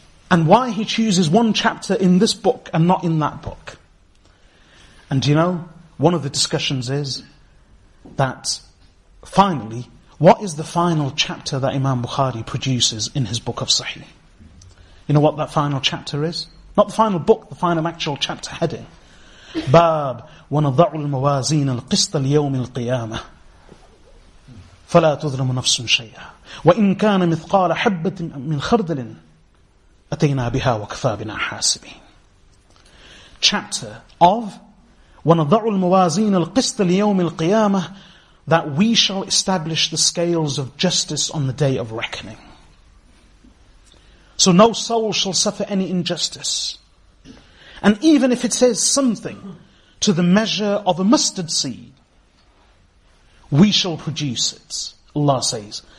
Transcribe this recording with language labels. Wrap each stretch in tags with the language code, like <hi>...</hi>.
<en>And why he chooses one chapter in this book and not in that book. And you know, one of the discussions is that finally, what is the final chapter that Imam Bukhari produces in his book of Sahih? You know what that final chapter is? Not the final book, the final actual chapter heading.</en> <ar>Bab, ونضع الموازين القسط ليوم القيامة. فلا تظلم نفس شيئا وإن كان مثقال حبة من خردل أتينا بها وكفى بنا حاسبين.</ar> <en>Chapter of</en> <ar>ونضع الموازين القسط ليوم القيامة,</ar> <en>that we shall establish the scales of justice on the day of reckoning. So no soul shall suffer any injustice. And even if it says something to the measure of a mustard seed, we shall produce it, Allah says.</en>